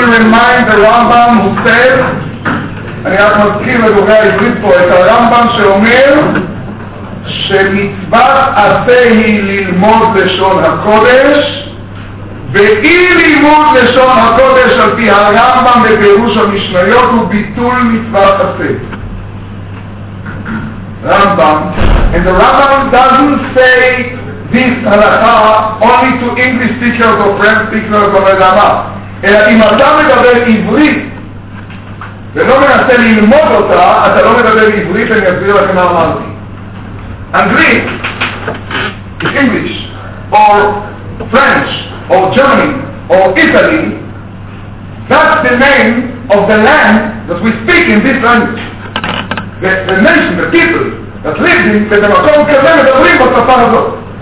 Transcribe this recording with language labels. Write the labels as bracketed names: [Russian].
[Hebrew] מים ורמב״ם מוסף. אני רק מזכיר לדוגי העברית פה את הרמב״ם שאומר שמצווה עשה היא ללמוד לשון הקודש, ואי לימוד לשון הקודש על פי הרמב״ם בפירוש המשניות הוא ביטול מצוות עשה. [English] Rambam, and the Rambam doesn't say this halakha only to English speakers or French speakers or Adama. [Hebrew] אלא אם אתה מדבר עברית ולא מנסה ללמוד אותה, אתה לא מדבר עברית, אני אסביר לכם מה אמרתי. [English] Anglais, English, or French, or Germany, or Italy, that's the name of the land that we speak in this language. The nation, the people, that lived in, [Hebrew] ובמקום כזה מדברים בשפה הזאת.